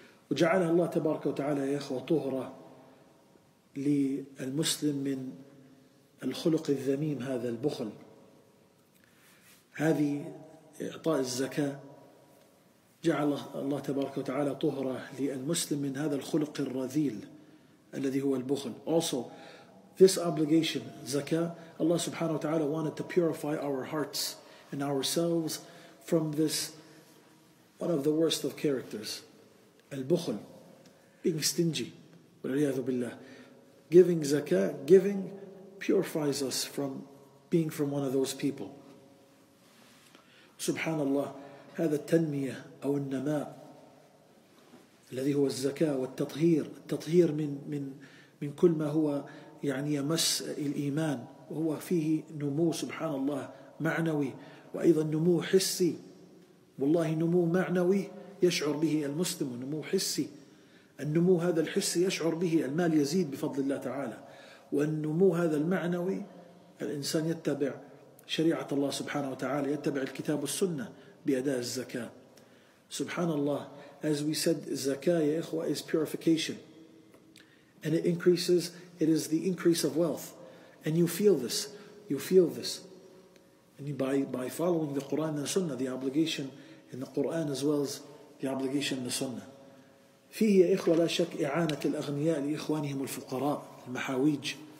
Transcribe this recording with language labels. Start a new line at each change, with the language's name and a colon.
Arabic: وجعلها الله تبارك وتعالى يا إخوة طهرة للمسلم من الخلق الذميم هذا البخل. هذه إعطاء الزكاة جعل الله تبارك وتعالى طهرة للمسلم من هذا الخلق الرذيل الذي هو البخل.
English: Also, this obligation, zakah, Allah subhanahu wa ta'ala wanted to purify our hearts and ourselves from this, one of the worst of characters, al-bukhl, being stingy, wal-iyadhu billah. Giving zakah, giving, purifies us from being from one of those people.
Arabic: Subhanallah, هذا التنمية أو النماء الذي هو الزكاة والتطهير، التطهير من كل ما هو يمس الإيمان، وهو فيه نمو سبحان الله معنوي وأيضا نمو حسي. والله نمو معنوي يشعر به المسلم، نمو حسي، النمو هذا الحسي يشعر به، المال يزيد بفضل الله تعالى، والنمو هذا المعنوي الإنسان يتبع شريعة الله سبحانه وتعالى، يتبع الكتاب والسنة بأداء الزكاة. سبحان الله،
English: as we said, zakah,
Arabic: يا إخوة,
English: is purification. and it increases, it is the increase of wealth. And you feel this, you feel this. And by following the Qur'an and the Sunnah, the obligation in the Qur'an as well as the obligation in the Sunnah.
Arabic: فيه يا إخوة لا شك إعانة الأغنياء لإخوانهم الفقراء المحاويج.